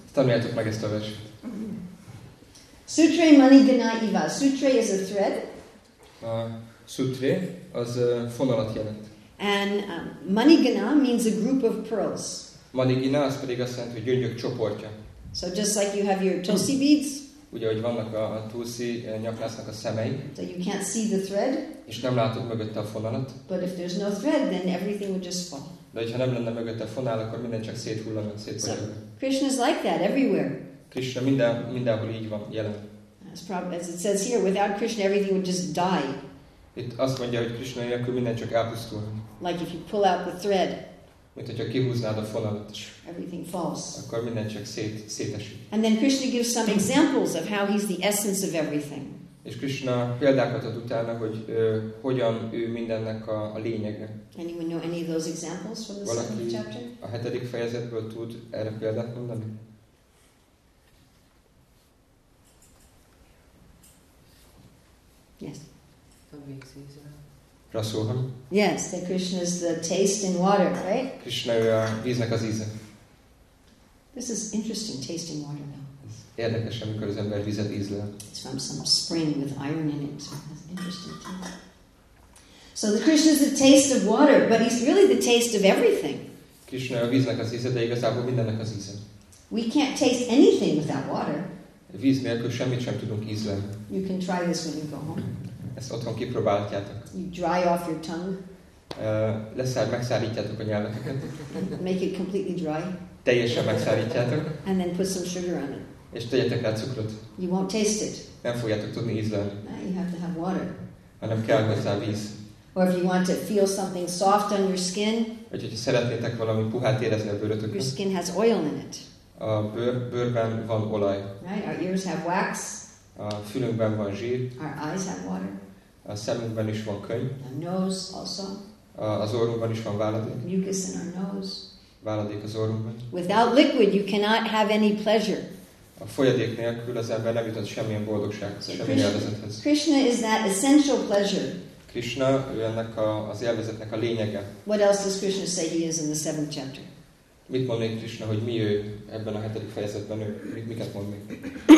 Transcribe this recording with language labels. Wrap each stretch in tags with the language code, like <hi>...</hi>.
<hu>Tanuljátok meg ezt a verset.</hu> <sa>Sutre mani gana iva.</sa> <en>Sutre is a thread.</en> <hu>Sutre az fonalat jelent.</hu> <en>And manigana means a group of pearls.</en> <hu>Manigana az pedig azt jelenti, hogy gyöngyök csoportja.</hu> <en>So just like you have your tulsi beads.</en> <hu>Ugye, ahogy vannak a tulsi nyaklásznak a szemei.</hu> <en>So you can't see the thread.</en> <hu>És nem látod mögötte a fonalat.</hu> <en>But if there's no thread, then everything would just fall.</en> <hu>De hogyha nem lenne mögötte a fonal, akkor minden csak széthullana, szétfolyna.</hu> <en>So Krishna is like that everywhere.</en> <hu>Krishna mindenhol így van, jelen.</hu> <en>As it says here, without Krishna, everything would just die.</en> <hu>Itt azt mondja, hogy Krishna nélkül minden csak elpusztul.</hu> <en>Like if you pull out the thread.</en> <hu>Mint hogyha kihúznád a fonalat.</hu> <en>Everything falls.</en> <hu>Akkor minden csak szétesik.</hu> <en>And then Krishna gives some examples of how he's the essence of everything.</en> <hu>És Krishna példákat ad utána, hogy hogyan ő mindennek a lényege.</hu> <en>Anyone know any of those examples from the 7th chapter?</en> <hu>A 7. fejezetből tud erre példát mondani?</hu> <en>Yes.</en> <sa>Rasoham.</sa> <en>Yes, that Krishna is the taste in water, right?</en> <hu>Krishna a víznek az íze.</hu> <en>This is interesting, taste in water, though.</en> <hu>Érdekes, amikor az ember vizet ízlel.</hu> <en>It's from some spring with iron in it. That's interesting too. So the Krishna is the taste of water, but he's really the taste of everything.</en> <hu>Krishna a víznek az íze, de igazából mindennek az íze.</hu> <en>We can't taste anything without water.</en> <hu>Víz nélkül semmit sem tudunk ízlelni.</hu> <en>You can try this when you go home.</en> <hu>Ezt otthon kipróbálhatjátok.</hu> <en>You dry off your tongue.</en> <hu>Megszárítjátok a nyelveteket.</hu> <en>Make it completely dry.</en> <hu>Teljesen megszárítjátok.</hu> <en>And then put some sugar on it.</en> <hu>És tegyetek rá cukrot.</hu> <en>You won't taste it.</en> <hu>Nem fogjátok tudni ízlelni.</hu> <en>No, you have to have water.</en> <hu>Hanem kell hozzá víz.</hu> <en>Or if you want to feel something soft on your skin.</en> <hu>Vagy hogyha szeretnétek valami puhát érezni a bőrötökön.</hu> <en>Your skin has oil in it.</en> <hu>A bőrben van olaj.</hu> <en>Right? Our ears have wax.</en> <hu>A fülünkben van zsír.</hu> <en>Our eyes have water.</en> <hu>A szemünkben is van könyv.</hu> <en>Our nose also.</en> <hu>Az orrunkban is van váladék.</hu> <en>Mucus in our nose.</en> <hu>Váladék az orrunkban.</hu> <en>Without liquid you cannot have any pleasure.</en> <hu>A folyadék nélkül az ember nem jutott semmilyen boldogság, semmilyen élvezethez.</hu> <en>Krishna is that essential pleasure.</en> <hu>Krishna, ő ennek a, az élvezetnek a lényege.</hu> <en>What else does Krishna say he is in the seventh chapter?</en> <hu>Mit mond még Krishna, hogy mi ő ebben a hetedik fejezetben? Ő, miket mond még?</hu>